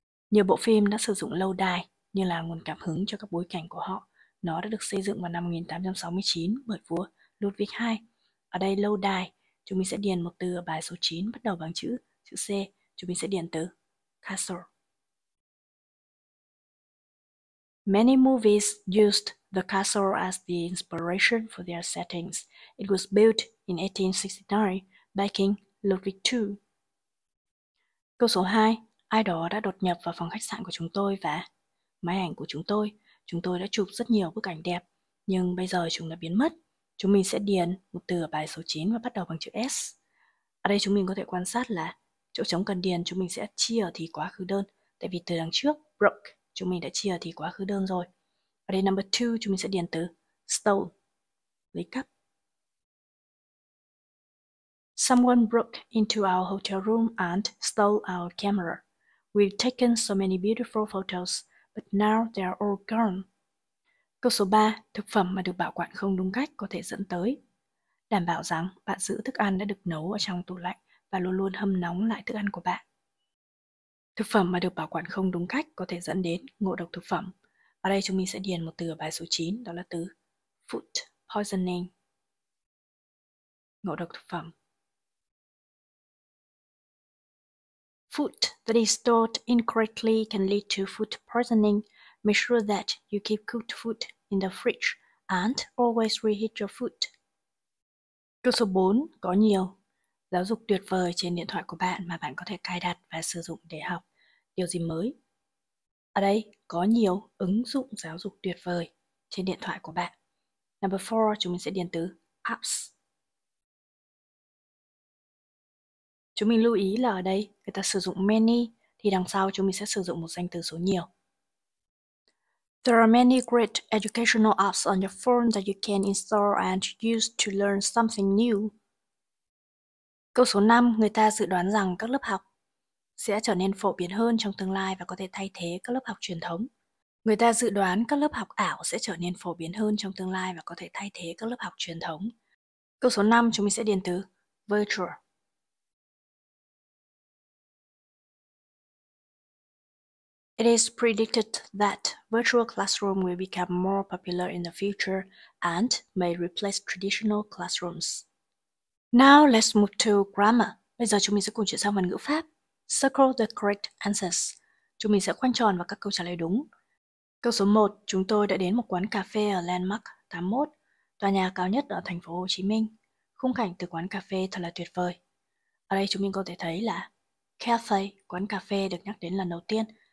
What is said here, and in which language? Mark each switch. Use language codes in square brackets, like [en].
[vi] Nhiều bộ phim đã sử dụng lâu đài như là nguồn cảm hứng cho các bối cảnh của họ. Nó đã được xây dựng vào năm 1869 bởi vua Ludwig II. Ở đây lâu đài, chúng mình sẽ điền một từ ở bài số 9 bắt đầu bằng chữ C. Chúng mình sẽ điền từ castle. [en] Many movies used the castle as the inspiration for their settings. It was built in 1869 by King Ludwig II. [vi] Câu số 2, ai đó đã đột nhập vào phòng khách sạn của chúng tôi và máy ảnh của chúng tôi đã chụp rất nhiều bức ảnh đẹp, nhưng bây giờ chúng đã biến mất. Chúng mình sẽ điền một từ ở bài số 9 và bắt đầu bằng chữ S. Ở đây chúng mình có thể quan sát là chỗ trống cần điền chúng mình sẽ chia thì quá khứ đơn, tại vì từ đằng trước broke chúng mình đã chia thì quá khứ đơn rồi. Ở đây number 2 chúng mình sẽ điền từ stole, lấy cắp. [en] Someone broke into our hotel room and stole our camera. We've taken so many beautiful photos, but now they're all gone. [vi] Câu số 3, thực phẩm mà được bảo quản không đúng cách có thể dẫn tới. Đảm bảo rằng bạn giữ thức ăn đã được nấu ở trong tủ lạnh và luôn luôn hâm nóng lại thức ăn của bạn. Thực phẩm mà được bảo quản không đúng cách có thể dẫn đến ngộ độc thực phẩm. Ở đây chúng mình sẽ điền một từ ở bài số 9, đó là từ food poisoning. Ngộ độc thực phẩm. [en] Food that is stored incorrectly can lead to food poisoning. Make sure that you keep cooked food in the fridge and always reheat your food. [vi] Câu số 4, có nhiều giáo dục tuyệt vời trên điện thoại của bạn mà bạn có thể cài đặt và sử dụng để học điều gì mới. Ở đây, có nhiều ứng dụng giáo dục tuyệt vời trên điện thoại của bạn. Number 4, chúng mình sẽ điền từ apps. Chúng mình lưu ý là ở đây, người ta sử dụng many, thì đằng sau chúng mình sẽ sử dụng một danh từ số nhiều. [en] There are many great educational apps on your phone that you can install and use to learn something new. [vi] Câu số 5, người ta dự đoán rằng các lớp học sẽ trở nên phổ biến hơn trong tương lai và có thể thay thế các lớp học truyền thống. Người ta dự đoán các lớp học ảo sẽ trở nên phổ biến hơn trong tương lai và có thể thay thế các lớp học truyền thống. Câu số 5, chúng mình sẽ điền từ virtual. [en] It is predicted that virtual classroom will become more popular in the future and may replace traditional classrooms. Now let's move to grammar. [vi] Bây giờ chúng mình sẽ cùng chuyển sang phần ngữ pháp. [en] Circle the correct answers. [vi] Chúng mình sẽ khoanh tròn vào các câu trả lời đúng. Câu số 1, chúng tôi đã đến một quán cà phê ở Landmark 81, tòa nhà cao nhất ở thành phố Hồ Chí Minh. Khung cảnh từ quán cà phê thật là tuyệt vời. Ở đây chúng mình có thể thấy là cafe, quán cà phê được nhắc đến lần đầu tiên.